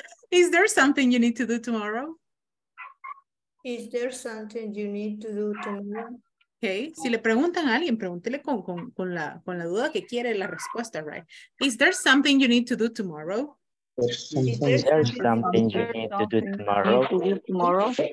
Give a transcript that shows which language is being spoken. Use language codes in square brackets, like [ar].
[en] Is there something you need to do tomorrow? Is there something you need to do tomorrow? [es] Okay, si le preguntan a alguien, pregúntele con la duda que quiere la respuesta, right? [en] Is there something you need to do tomorrow? Is there something you need to do tomorrow?